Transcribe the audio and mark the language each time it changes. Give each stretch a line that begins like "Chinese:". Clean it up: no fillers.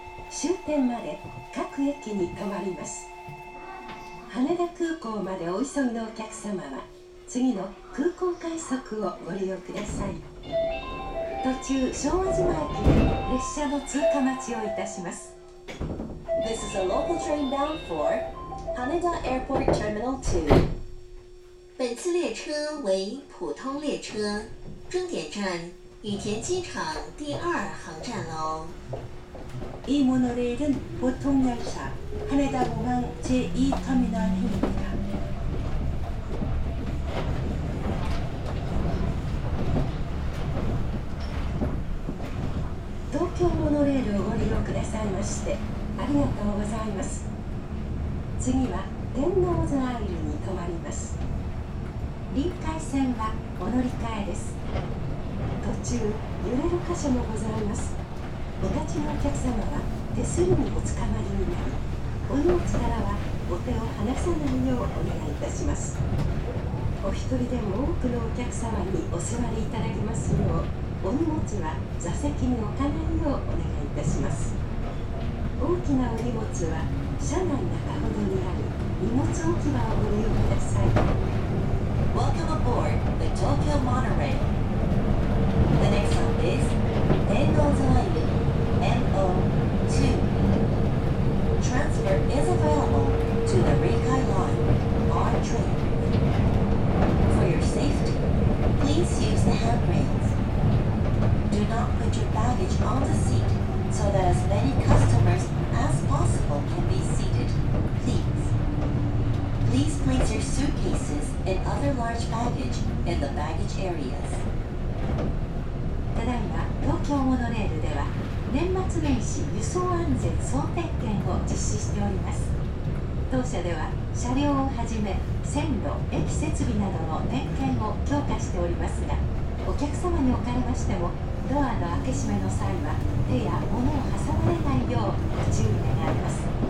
Japanese: 終点まで各駅に停まります。羽田空港までお急ぎのお客様は次の空港快速をご利用ください。途中昭和島駅で列車の通過待ちをいたします。
English: This is a local train bound for Haneda Airport Terminal 2.
Chinese: 本次列车为普通列车，终点站羽田机场第二航站楼。
Korean: 이모노레일은보통열차하네다공항제2터미널입니다
Japanese: 東京モノレールをご利用くださいまして。ありがとうございます。次は天王洲アイルに停まります。臨海線はお乗り換えです。途中揺れる箇所もございます。お立ちのお客様は手すりにおつかまりになり、お荷物からはお手を離さないようお願いいたします。お一人でも多くのお客様にお座りいただけますよう、お荷物は座席に置かないようお願いいたします。大きなお荷物は車内中ほどにある荷物置き場をご利用ください。
English: Welcome aboard the Tokyo Monorail. The next stop is 天王洲アイル MO2. Transfer is available to the Rikai Line on train. For your safety, please use the handrails. Do not put your baggage on the seat so that as many customersas possible can be seated, please. Please place your suitcases and other large baggage in the baggage areas.
Japanese: ただいま、東京モノレールでは年末年始輸送安全総点検を実施しております。当社では車両をはじめ線路、駅設備などの点検を強化しておりますが、お客様におかれましてもドアの開け閉めの際は手や物を挟まれないようご注意願います。